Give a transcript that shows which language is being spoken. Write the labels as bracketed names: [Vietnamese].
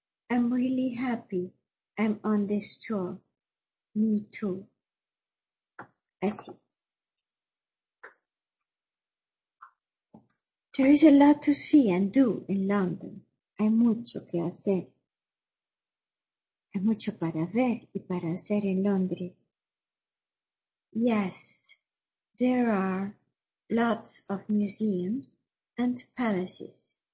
[English] I'm really happy. I'm on this tour. Me too. I see. There is a lot to see and do in London. [Spanish] Hay mucho que hacer. Hay mucho para ver y para hacer en Londres. [English] Yes, there are lots of museums and palaces.